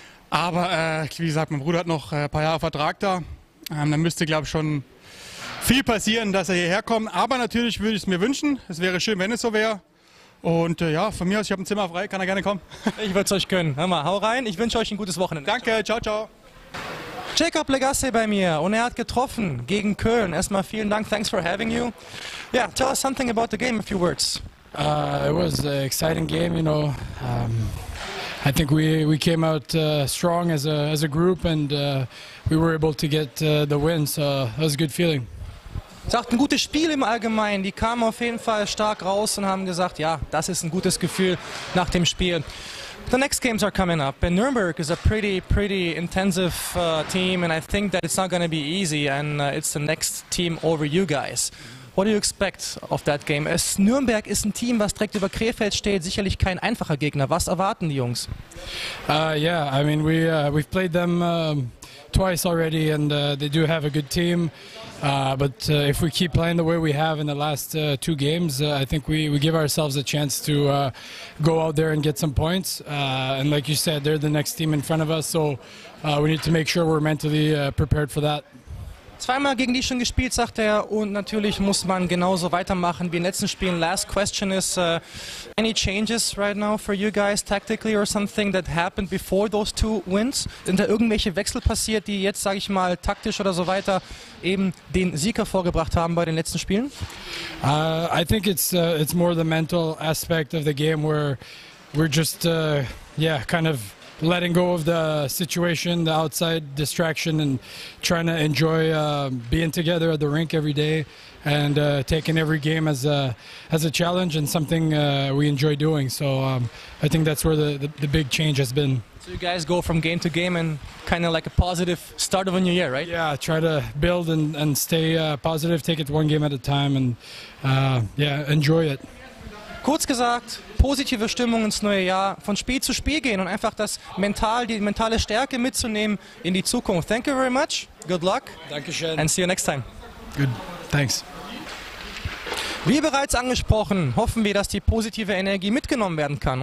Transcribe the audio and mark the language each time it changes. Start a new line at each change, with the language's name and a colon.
German: Aber wie gesagt, mein Bruder hat noch ein paar Jahre Vertrag da. Dann müsste, glaube ich, schon viel passieren, dass er hierher kommt. Aber natürlich würde ich es mir wünschen. Es wäre schön, wenn es so wäre. Und ja, von mir aus, ich habe ein Zimmer frei, kann er gerne kommen. Ich würde es euch gönnen. Hör mal, hau rein, ich wünsche euch ein gutes Wochenende. Danke, ciao, ciao. Jacob Legasse bei mir und er hat getroffen gegen Köln. Erstmal vielen Dank,
English: thanks for having you. Yeah, tell us something about the game, a few words. It was an exciting game, you know. I think we came out strong as a group and we were able to get the win, so it was a good feeling.
German: Sagt ein gutes Spiel im Allgemeinen. Die kamen auf jeden Fall stark raus und haben gesagt, ja, das ist ein gutes Gefühl nach dem Spiel.
English: The next games are coming up. And Nürnberg is a pretty, pretty intensive team, and I think that it's not going to be easy. And it's the next team over you guys. What do you expect of that game?
German: Nürnberg ist ein Team, was direkt über Krefeld steht, sicherlich kein einfacher Gegner. Was erwarten die Jungs?
English: We've played them twice already and they do have a good team. But if we keep playing the way we have in the last two games, I think we give ourselves a chance to go out there and get some points. And like you said, they're the next team in front of us, so we need to make sure we're mentally prepared for that.
German: Zweimal gegen die schon gespielt, sagt er, und natürlich muss man genauso weitermachen wie in den letzten Spielen.
English: Last question is, any changes right now for you guys tactically or something that happened before those two wins?
German: Sind da irgendwelche Wechsel passiert, die jetzt, sage ich mal, taktisch oder so weiter eben den Sieger vorgebracht haben bei den letzten Spielen?
English: I think it's more the mental aspect of the game where we're just kind of letting go of the situation, the outside distraction, and trying to enjoy being together at the rink every day and taking every game as a challenge and something we enjoy doing. So I think that's where the big change has been. So you guys go from game to game and kind of like a positive start of a new year, right? Yeah, try to build and stay positive, take it one game at a time and enjoy it.
German: kurz gesagt, positive Stimmung ins neue Jahr, von Spiel zu Spiel gehen und einfach das mental, die mentale Stärke mitzunehmen in die Zukunft.
English: Thank you very much. Good luck.
German: Dankeschön.
English: And see you next time. Good. Thanks.
German: Wie bereits angesprochen, hoffen wir, dass die positive Energie mitgenommen werden kann.